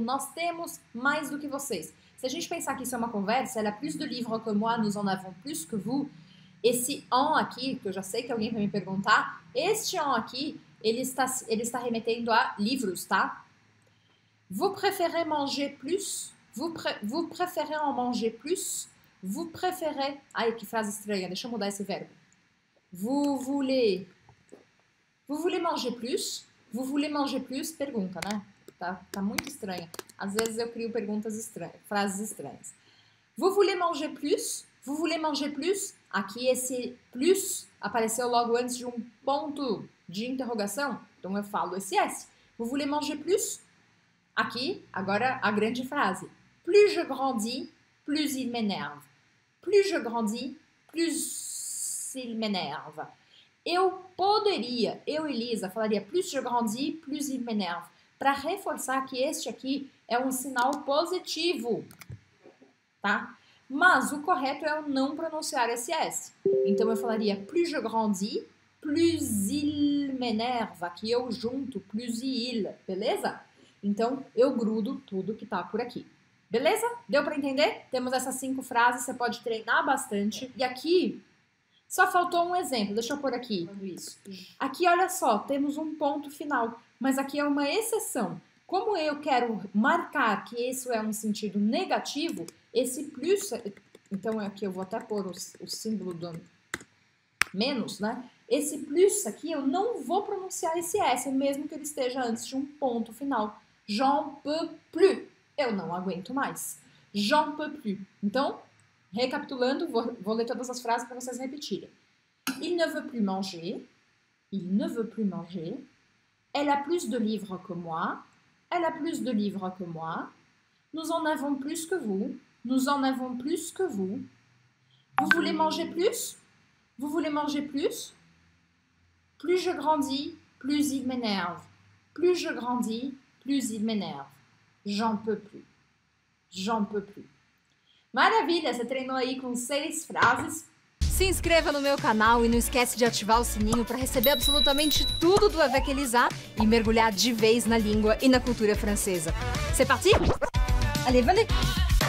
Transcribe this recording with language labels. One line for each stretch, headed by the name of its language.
Portuguese: Nós temos mais do que vocês. Se a gente pensar que isso é uma conversa, ela
French: plus de livres que moi, nous en avons plus que vous.
Portuguese: Esse en aqui, que eu já sei que alguém vai me perguntar, este en aqui, ele está remetendo a livros, tá?
French: Vous préférez manger plus? Vous préférez en manger plus? Vous préférez...
Portuguese: Ai, que frase estranha. Deixa eu mudar esse verbo.
French: Vous voulez manger plus? Vous voulez manger plus?
Portuguese: Pergunta, né? Tá muito estranha. Às vezes eu crio perguntas estranhas, frases estranhas.
French: Vous voulez manger plus? Vous voulez manger plus?
Portuguese: Aqui esse plus apareceu logo antes de um ponto de interrogação. Então eu falo esse S.
French: Vous voulez manger plus?
Portuguese: Aqui, agora a grande frase.
French: Plus je grandis, plus il m'énerve. Plus je grandis, plus il m'énerve.
Portuguese: Eu poderia, eu, Elisa, falaria
French: plus je grandis, plus il m'énerve.
Portuguese: Para reforçar que este aqui é um sinal positivo. Tá? Mas o correto é eu não pronunciar esse S. Então eu falaria
French: plus je grandis, plus il m'énerve.
Portuguese: Aqui eu junto, plus il, beleza? Então eu grudo tudo que tá por aqui. Beleza? Deu para entender? Temos essas cinco frases, você pode treinar bastante. E aqui, só faltou um exemplo, deixa eu pôr aqui. Isso. Aqui, olha só, temos um ponto final, mas aqui é uma exceção. Como eu quero marcar que isso é um sentido negativo, esse plus, então aqui eu vou até pôr o símbolo do menos, né? Esse plus aqui, eu não vou pronunciar esse S, mesmo que ele esteja antes de um ponto final.
French: J'en peux plus.
Portuguese: Eu não aguento mais.
French: J'en peux plus.
Portuguese: Então, recapitulando, vou ler todas as frases para vocês repetirem.
French: Il ne veut plus manger. Il ne veut plus manger. Elle a plus de livres que moi. Elle a plus de livres que moi. Nous en avons plus que vous. Nous en avons plus que vous. Vous voulez manger plus? Vous voulez manger plus? Plus je grandis, plus il m'énerve. Plus je grandis, plus il m'énerve. J'en peux plus. J'en peux plus.
Portuguese: Maravilha, você treinou aí com seis frases. Se inscreva no meu canal e não esquece de ativar o sininho para receber absolutamente tudo do Avec Elisa e mergulhar de vez na língua e na cultura francesa.
French: C'est parti? Allez, venez!